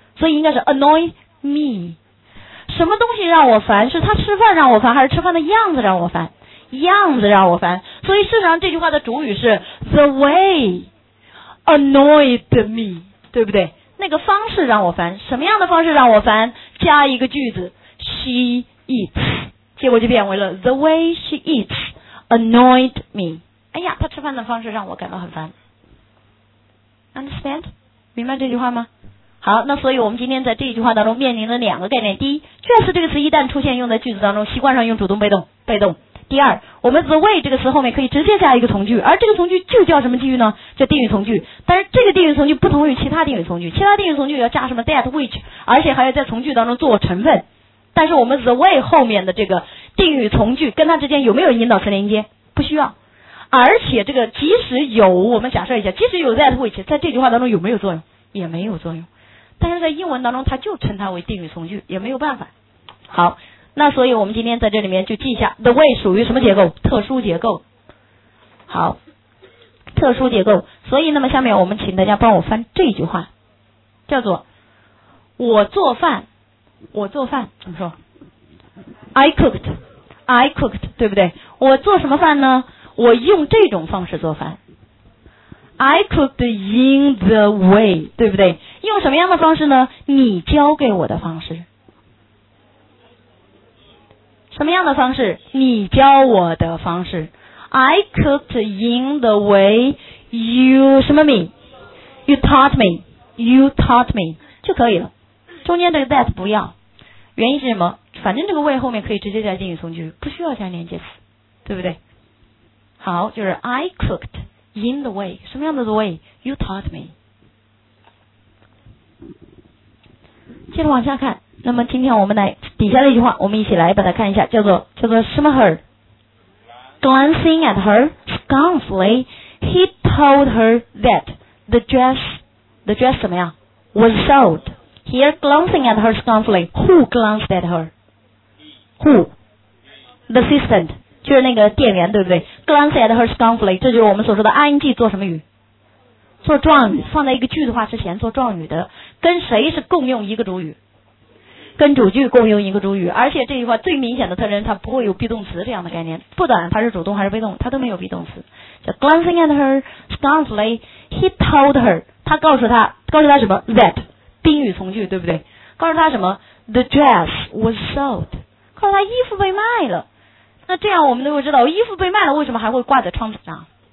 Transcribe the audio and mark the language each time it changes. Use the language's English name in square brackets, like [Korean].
[Chinese] 所以应该是 annoy me，什么东西让我烦？是他吃饭让我烦，还是吃饭的样子让我烦？样子让我烦。所以事实上这句话的主语是 [English] the way annoyed me， [Chinese] 对不对？那个方式让我烦，什么样的方式让我烦？加一个句子 she eats， 结果就变为了 [English] the way she eats annoyed me。 [Chinese] 哎呀，她吃饭的方式让我感到很烦。 Understand？ 明白这句话吗？好，那所以我们今天在这句话当中面临了两个概念。第一，确实这个词一旦出现用在句子当中，习惯上用主动被动，被动。第二，我们 the way 这个词后面可以直接加一个从句，而这个从句就叫什么句呢？叫定语从句。但是这个定语从句不同于其他定语从句，其他定语从句要加什么 that which， 而且还要在从句当中做成分。但是我们 the way 后面的这个定语从句跟它之间有没有引导词连接？不需要。而且这个即使有，我们假设一下，即使有 that which， 在这句话当中有没有作用？也没有作用。但是在英文当中它就称它为定语从句，也没有办法。好，那所以我们今天在这里面就记一下 the way 属于什么结构？特殊结构。好，特殊结构。所以那么下面我们请大家帮我翻这句话，叫做我做饭怎么说？ [English] I cooked [Chinese] 对不对？我做什么饭呢？我用这种方式做饭。 [English] I cooked in the way， [Chinese] 对不对？用什么样的方式呢？你教给我的方式。什么样的方式？你教我的方式。 [English] I cooked in the way you 什么 me you taught me [Chinese] 就可以了。中间这个 that 不要，原因是什么？反正这个 way 后面可以直接加定语从句，不需要加连接词，对不对？好，就是 [English] I cooked in the way 什么样的 the way you taught me。 [Chinese] 接着往下看，那么今天我们来底下的一句话，我们一起来把它看一下，叫做什么 her？ [English] Glancing at her scornfully, he told her that the dress [Chinese] 怎么样 [English] was sold. Here, glancing at her scornfully, who glanced at her? Who? [Chinese] The assistant， 就是那个店员，对不对？ [English] Glance at her scornfully， [Chinese] 这就是我们所说的 ing 做什么语？做状语，放在一个句子化之前做状语的，跟谁是共用一个主语？跟主句共用一个主语。而且这句话最明显的特征，它不会有 be 动词这样的概念，不管它是主动还是被动，它都没有 be 动词。 [English] So, glancing at her scornfully, he told her， [Chinese] 他告诉他什么？ that 宾语从句，对不对？告诉他什么？ [English] the dress was sold， [Chinese] 告诉他衣服被卖了。那这样我们都会知道，衣服被卖了为什么还会挂在窗子上？